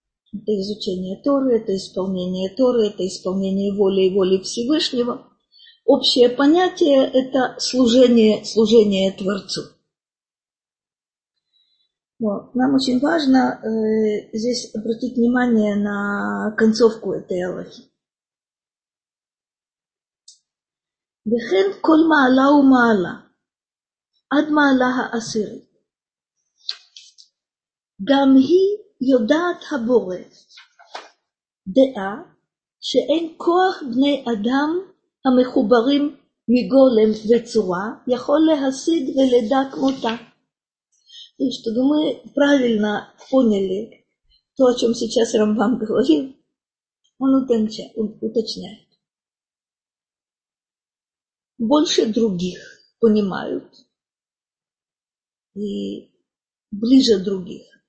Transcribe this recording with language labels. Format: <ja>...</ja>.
<ru>Это изучение Торы, это исполнение Торы, это исполнение воли и воли Всевышнего. Общее понятие – это служение Творцу. Вот. Нам очень важно здесь обратить внимание на концовку этой алахи.</ru> <he>«Вехен коль маала у маала, ад маалаха асир, гам хи יודעת הבורא דעה שאין כוח בני אדם המחוברים מגולם וצורה יכול להשיג ולדעת כמותה.</he> <ru>То есть, чтобы мы правильно поняли то, о чем сейчас Рамбам говорил, он уточняет. Больше других понимают и ближе других.</ru>